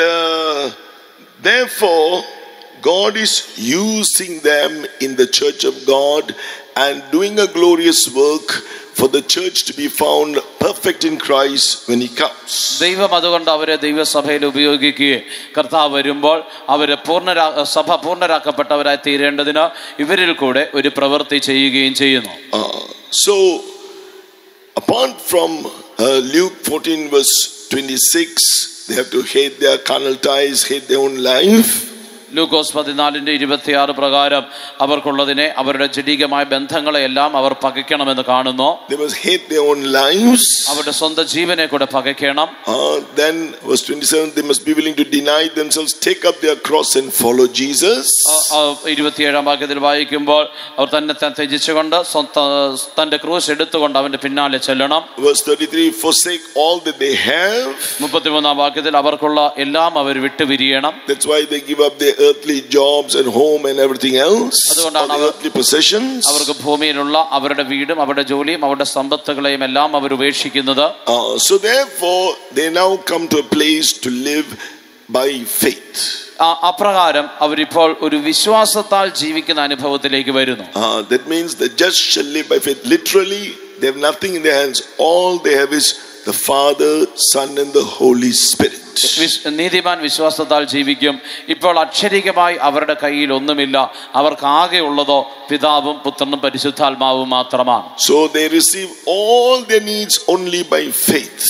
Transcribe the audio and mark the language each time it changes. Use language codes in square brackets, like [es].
[en] So therefore God is using them in the church of God and doing a glorious work for the church to be found perfect in Christ when he comes. [ml] ദൈവം അതുകൊണ്ട് അവരെ ദൈവസഭയിൽ ഉപയോഗിക്കുകയും കർത്താവ് വരുമ്പോൾ അവരെ സഭ പൂർണ്ണരാക്കപ്പെട്ടവരായി തീരേണ്ടതിന് ഇവരിൽ കൂടെ ഒരു പ്രവൃത്തി ചെയ്യുകയും ചെയ്യുന്നു. [en] So apart from Luke 14 verse 26 they have to hate their carnal ties, hate their own life. [ml] ലൂക്കോസ് 14:26 പ്രകാരം അവർക്കുള്ളതിനെ, അവരുടെ ജഡികമായ ബന്ധങ്ങളെ എല്ലാം അവർ പകയ്ക്കണമെന്ന് കാണുന്നു. [en] They must hate their own lives. [ml] അവരുടെ സ്വന്തം ജീവനെ കൂടെ പകയ്ക്കണം. [en] Then verse 27, they must be willing to deny themselves, take up their cross and follow Jesus. [ml] 27-ാം വാക്യത്തിൽ വായിക്കുമ്പോൾ അവർ തന്നെ ത്യജിച്ചുകൊണ്ട് തന്റെ ക്രൂശ് എടുത്തുകൊണ്ട് അവന്റെ പിന്നാലെ ചെല്ലണം. [en] Verse 33, forsake all that they have. [ml] 33-ാം വാക്യത്തിൽ അവർക്കുള്ള എല്ലാം അവർ വിട്ടുപിരിയണം. [en] That's why they give up their earthly jobs and home and everything else, other earthly possessions. [ml] അവർക്ക് ഭൂമിയിലുള്ള അവരുടെ വീടും അവരുടെ ജോലിയും അവരുടെ സമ്പത്തുകളെയും എല്ലാം അവർ ഉപേക്ഷിക്കുന്നത്. [en] So therefore they now come to a place to live by faith. [ml] അപ്രകാരം അവരിപ്പോൾ ഒരു വിശ്വാസത്താൽ ജീവിക്കുന്ന അനുഭവത്തിലേക്ക് വരുന്നു. [en] That means the just shall live by faith. Literally they have nothing in their hands, all they have is the Father, Son and the Holy Spirit. [ml] നീതിമാൻ വിശ്വാസത്താൽ ജീവിക്കും. ഇപ്പോൾ അക്ഷരികമായി അവരുടെ കയ്യിൽ ഒന്നുമില്ല. അവർക്ക് ആകെ ഉള്ളതോ പിതാവും പുത്രനും പരിശുദ്ധാത്മാവും മാത്രമാണ്. [en] So they receive all their needs only by faith.